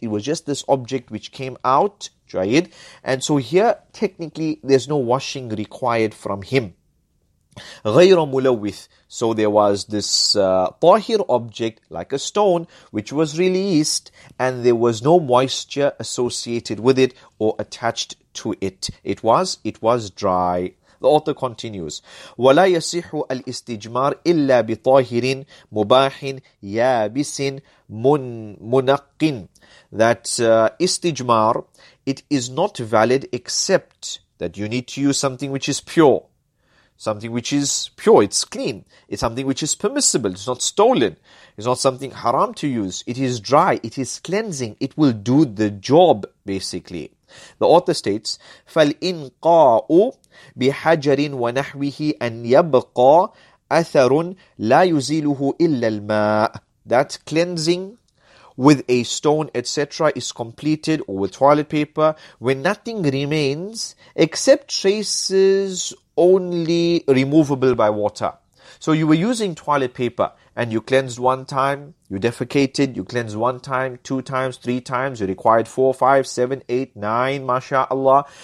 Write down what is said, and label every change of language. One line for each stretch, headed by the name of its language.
English: It was just this object which came out, Jayid. And so here, technically, there's no washing required from him.
Arabic: غَيْرَ مُلَوِّثِ.
English: So there was this tahir object, like a stone, which was released, and there was no moisture associated with it or attached to it. It was dry. The author continues,
Arabic: وَلَا يَصِحُ الْإِسْتِجْمَارِ إِلَّا بِطَاهِرٍ مُبَاحٍ يَابِسٍ مُنَقِّنٍ.
English: That istijmar, it is not valid except that you need to use something which is pure. Something which is pure, it's clean. It's something which is permissible, it's not stolen. It's not something haram to use. It is dry, it is cleansing. It will do the job, basically. The author states,
Arabic: فَالْإِنْقَاءُ بِحَجَرٍ وَنَحْوِهِ أَنْ يَبْقَى أَثَرٌ لَا يُزِيلُهُ إِلَّا الْمَاءُ.
English: That cleansing with a stone, etc. is completed, or with toilet paper, when nothing remains except traces only removable by water. So you were using toilet paper and you cleansed one time, you defecated, you cleansed one time, two times, three times, you required 4, 5, 7, 8, 9, mashallah.